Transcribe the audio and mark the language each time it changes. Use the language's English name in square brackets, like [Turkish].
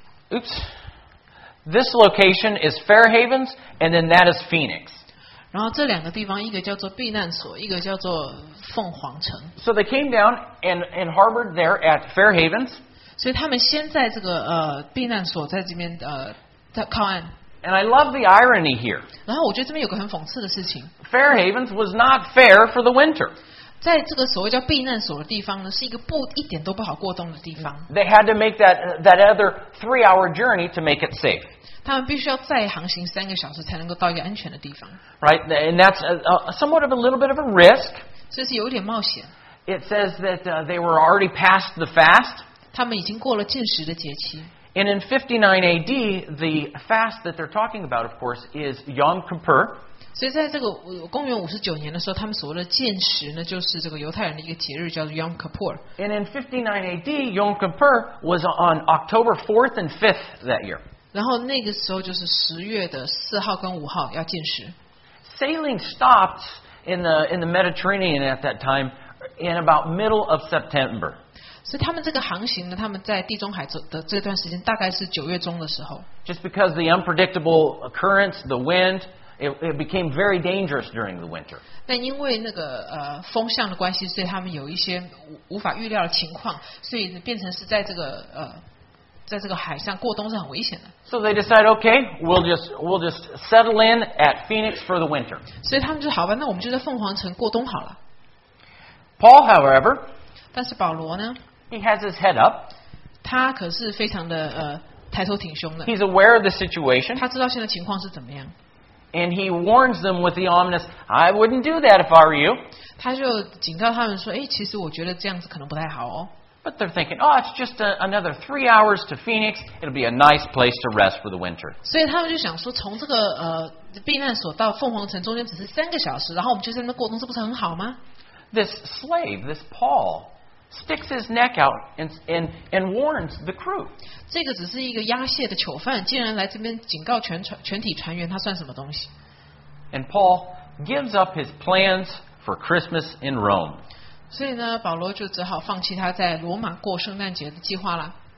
[English] This location is Fair Havens, and then that is Phoenix. [Chinese] 然后这两个地方，一个叫做避难所，一个叫做凤凰城。 [English] So they came down and harbored there at Fair Havens. [Chinese] 所以他们先在这个避难所在这边在靠岸。 [English] And I love the irony here. [Chinese] 然后我觉得这边有个很讽刺的事情。 [English] Fair Havens was not fair for the winter. [Chinese] 在这个所谓叫避难所的地方呢，是一个不一点都不好过冬的地方。 [English] They had to make that other 3-hour journey to make it safe. [Chinese] 他们必须要再航行三个小时才能够到一个安全的地方。 [English] Right, and that's somewhat of a little bit of a risk. [Chinese] 所以是有点冒险。 [English] It says that they were already past the fast. [Chinese] 他们已经过了禁食的节期。 [English] And in 59 AD, the fast that they're talking about, of course, is Yom Kippur. [Chinese] 所以在这个公元59年的时候，他们所谓的禁食呢，就是这个犹太人的一个节日，叫做 Yom Kippur. [English] And in 59 AD, Yom Kippur was on October 4th and 5th that year. [Chinese] 然后那个时候就是十月的四号跟五号要禁食。 [English] Sailing stopped in the Mediterranean at that time in about middle of September. [Chinese] 所以他们这个航行呢，他们在地中海的这段时间大概是九月中的时候。 [English] Just because the unpredictable currents, the wind, it became very dangerous during the winter. [Chinese] 但因为那个风向的关系，所以他们有一些无法预料的情况，所以变成是在这个在这个海上过冬是很危险的。 [English] So they decide, okay, we'll just settle in at Phoenix for the winter. [Chinese] 所以他们就好吧，那我们就在凤凰城过冬好了。 [English] Paul, however, [Chinese] 但是保罗呢 [English] ？He has his head up. [Chinese] 他可是非常的抬头挺胸的。 [English] He's aware of the situation. [Chinese] 他知道现在情况是怎么样。 [English] And he warns them with the ominous, "I wouldn't do that if I were you." [Chinese] 他就警告他们说，哎，其实我觉得这样子可能不太好哦。 [English] But they're thinking, oh, it's just another 3 hours to Phoenix. It'll be a nice place to rest for the winter. [Chinese] 所以他们就想说，从这个避难所到凤凰城中间只是三个小时，然后我们就在那过冬，这不是很好吗？ [English] This slave, this Paul, sticks his neck out and warns the crew. [Chinese] 这个只是一个押解的囚犯，竟然来这边警告全体船员，他算什么东西？ [English] And Paul gives up his plans for Christmas in Rome. [Chinese] 所以呢，保罗就只好放弃他在罗马过圣诞节的计划了。